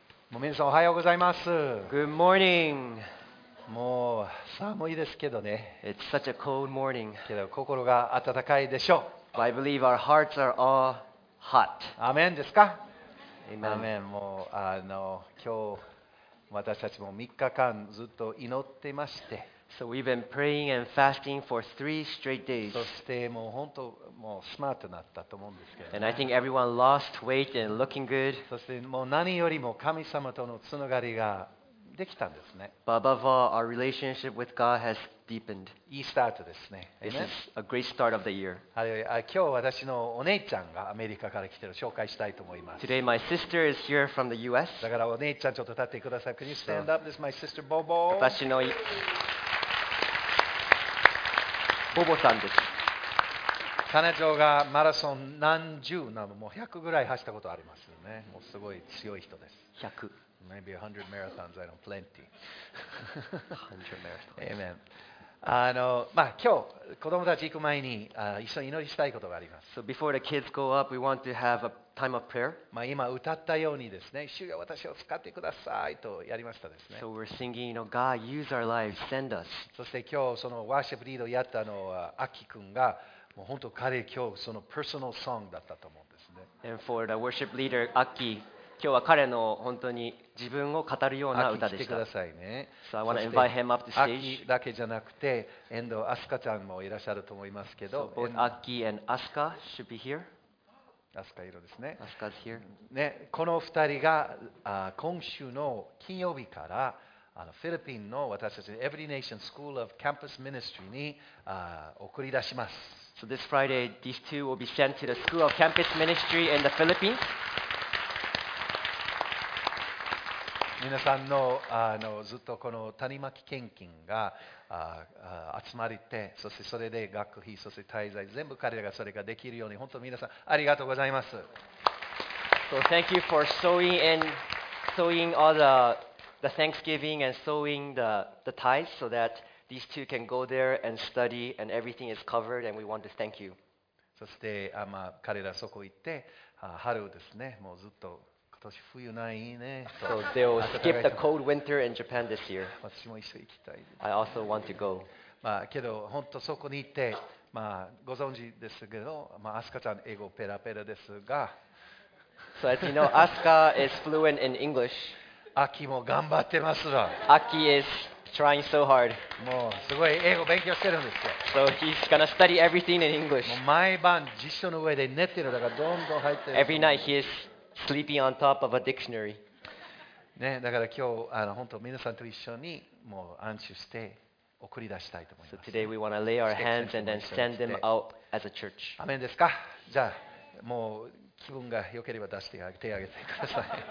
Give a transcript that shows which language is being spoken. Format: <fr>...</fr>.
<ja>もう皆さんおはようございます。</ja> <en>Good morning.</en> <ja>もう寒いですけどね。</ja> <en>It's such a cold morning.</en> <ja>けど心が温かいでしょう。</ja> <en>But I believe our hearts are all hot.</en> <ja>アメンですか？</ja> <en>Amen.</en> <ja>もう今日私たちも3日間ずっと祈ってまして。</ja> <en>So we've been praying and fasting for three straight days.</en> <ja>そしてもう本当もうスマートになったと思うんですけど、ね。</ja> <en>And I think everyone lost weight and looking good.</en> <ja>そしてもう何よりも神様とのつながりができたんですね。</ja> <en>But above all, our relationship with God has deepened.</en> <ja>いいスタートですね。</ja> <en>This is a great start of the year.</en> <ja>今日私のお姉ちゃんがアメリカから来てる紹介したいと思います。</ja> <en>Today my sister is here from the U.S.</en> <ja>だからお姉ちゃんちょっと立ってください。</ja> <en>Can you stand up? This is my sister Bobo.</en> <ja>私のボボさんです。彼女がマラソン何十なのもう100ぐらい走ったことありますよね。もうすごい強い人です。 100。</ja> <en>Maybe 100 marathons, I don't plenty. 100 marathons. Amen.</en> <ja>まあ、今日子供たち行く前に一緒に祈りしたいことがあります。</ja> <en>So before the kids go up, we want to have a time of prayer.</en> <ja>まあ今歌ったようにですね、主よ私を使ってくださいとやりましたですね。</ja> <en>So we're singing, you know, God use our lives, send us.</en> <ja>そして今日そのワーシップリードやったのはアキ君がもう本当彼今日その</ja> <en>personal song</en> <ja>だったと思うんですね。</ja> <en>And for the worship leader, Aki.</en> <ja>今日は彼の本当に自分を語るような歌でした。アキ来てくださいね。</ja> <en>So I want to invite him up to stage.</en> <ja>アキだけじゃなくて、遠藤アスカちゃんもいらっしゃると思いますけど。</ja> <en>So both アキ and アスカ should be here.</en> <ja>アスカいるですね。</ja> <en>アスカ is here.</en> <ja>ね、この二人が今週の金曜日からフィリピンの私たちの Every Nation School of Campus Ministry に送り出します。</ja> <en>So this Friday, these two will be sent to the School of Campus Ministry in the Philippines.</en> <ja>皆さん のずっとこの谷巻献金が集まりて、そしてそれで学費、そして滞在、全部彼らがそれができるように、本当皆さんありがとうございます。</ja> <en>So thank you for sowing all the Thanksgiving and sowing the tithes so that these two can go there and study and everything is covered and we want to thank you.</en> <ja>そして、まあ、彼らそこ行って、春ですね、もうずっと今年冬ないね。</ja> <en>So they'll skip the cold winter in Japan this year.</en> <ja>私も一緒に行きたい。</ja> <en>I also want to go.</en> <ja>まあけど本当そこに行って、まあご存知ですけど、まあアスカちゃん英語ペラペラですが。</ja> <en>So as you know, Asuka is fluent in English.</en> <ja>アキも頑張ってますわ。</ja> <en>アキ is trying so hard.</en> <ja>もうすごい英語勉強してるんですよ。</ja> <en>So he's gonna study everything in English.</en> <ja>毎晩辞書の上で寝てるだからどんどん入ってる。</ja> <en>Every night he isSleeping on top of a dictionary.</en> <ja>ね、だから今日本当皆さんと一緒にもう安心して送り出したいと思います。</ja> <en>So today we want to lay our hands and then send them out as a church.</en> <ja>アメンですか？じゃあもう気分が良ければ出して手を挙げてください。</ja>